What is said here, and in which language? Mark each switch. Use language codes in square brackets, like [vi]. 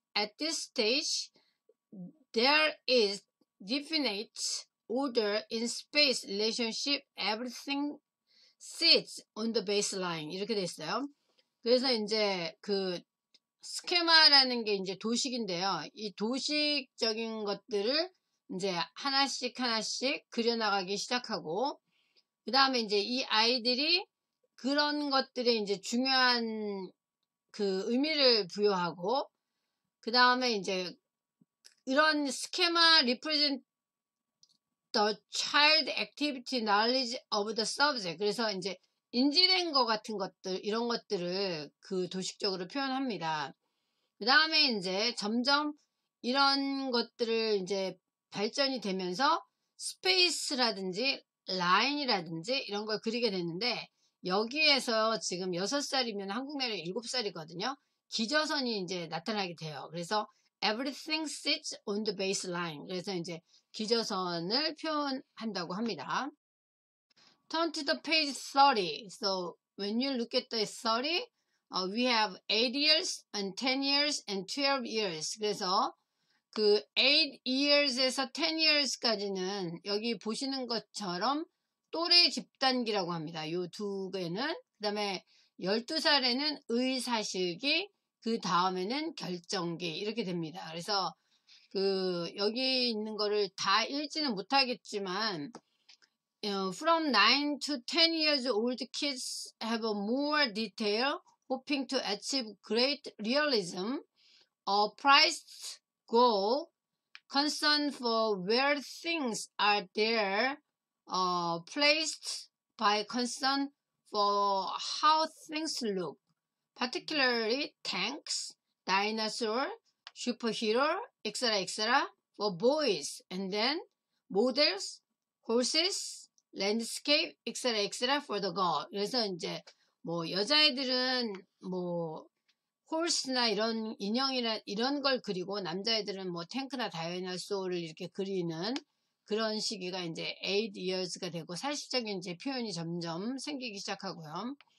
[en] At this stage, there is definite order in space relationship. Everything sits on the baseline [ko] 이렇게 돼 있어요. 그래서 이제 그 스케마라는 게 이제 도식인데요. 이 도식적인 것들을 이제 하나씩 하나씩 그려나가기 시작하고, 그 다음에 이제 이 아이들이 그런 것들에 이제 중요한 그 의미를 부여하고, 그 다음에 이제 이런 스케마 [en] represent the child activity knowledge of the subject. [ko] 그래서 이제 인지된 것 같은 것들, 이런 것들을 그 도식적으로 표현합니다. 그 다음에 이제 점점 이런 것들을 이제 발전이 되면서 스페이스라든지 라인이라든지 이런 걸 그리게 되는데, 여기에서 지금 6살이면 한국 나이로 7살이거든요. 기저선이 이제 나타나게 돼요. 그래서 [en] everything sits on the baseline. [ko] 그래서 이제 기저선을 표현한다고 합니다. [en] Turn to the page 30. So when you look at the 30, we have 8 years and 10 years and 12 years. [ko] 그래서 그8 years에서 10 years까지는 여기 보시는 것처럼 또래 집단기라고 합니다. 요두 개는. 그다음에 12살에는 의사실기, 그 다음에는 결정기 이렇게 됩니다. 그래서 그 여기 있는 거를 다 읽지는 못하겠지만, [en] From 9 to 10 years old kids have a more detail hoping to achieve great realism, a priced goal, concern for where things are there, placed by concern for how things look, particularly tanks, dinosaur, superhero, etc., etc., for boys, and then models, horses, landscape, etc., etc., for the girl. [ko] 그래서 이제 뭐 여자애들은 뭐 홀스나 이런 인형이나 이런 걸 그리고, 남자애들은 뭐 탱크나 다이너소어를 이렇게 그리는 그런 시기가 이제 8 years가 되고, 사실적인 이제 표현이 점점 생기기 시작하고요.